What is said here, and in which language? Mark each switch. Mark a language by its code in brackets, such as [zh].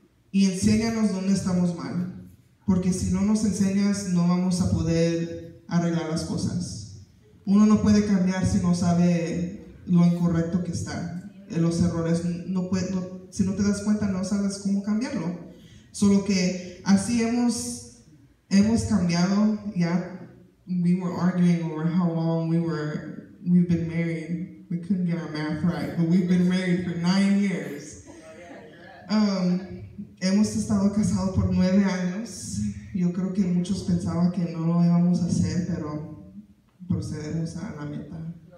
[es] Y enséñanos dónde estamos mal. Porque si no nos enseñas, no vamos a poder arreglar las cosas. Uno no puede cambiar si no sabe lo incorrecto que está. Los errores, si no te das cuenta, no sabes cómo cambiarlo. Solo que así hemos cambiado. [en] Ya, we were arguing over how long we've been married. We couldn't get our math right, but we've been married for 9 years. [es] Hemos estado casados por 9 años. Yo creo que muchos pensaban que no lo íbamos a hacer, pero procedemos a la meta.